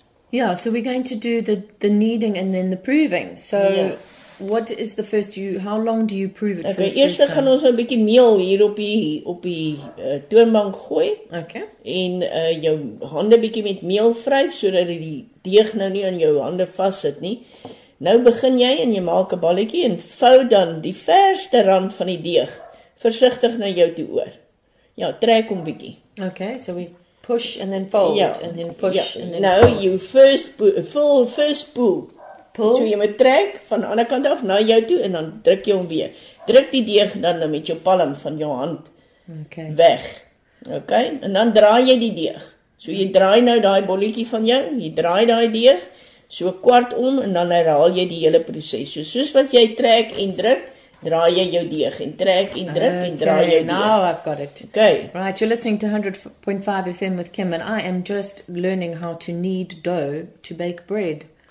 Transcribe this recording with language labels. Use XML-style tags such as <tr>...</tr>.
<en>Yeah, so we're going to do the kneading and then the proving. So yeah. What is the first how long do you prove it?</en> <af>Okay, eers gaan ons 'n bietjie meel hier op die toonbank gooi. Okay. En jou hande bietjie met meel vryf sodat die deeg nou nie aan jou hande vassit nie. Nou begin jy en jy maak 'n balletjie en vou dan die verste rand van die deeg versigtig na jou toe oor. Ja, trek hom bietjie.</af> <en>Okay, so we push and then fold and then push and then Now fold. You first pull. Pull.</en> <af>So jy moet trek van die ander kant af na jou toe en dan druk jy hom weer. Druk die deeg dan met jou palm van jou hand. Okay. Weg. Okay? En dan draai jy die deeg. So jy draai nou daai bolletjie van jou, jy draai daai deeg. So kwart om en dan herhaal jy die hele proses. So soos wat jy trek en druk, draai jy jou deeg en trek en druk en draai jou deeg.</af> <en>Now I've got it. Okay. Right, you're listening to 100.5 FM with Kim and I am just learning how to knead dough to bake bread.</en>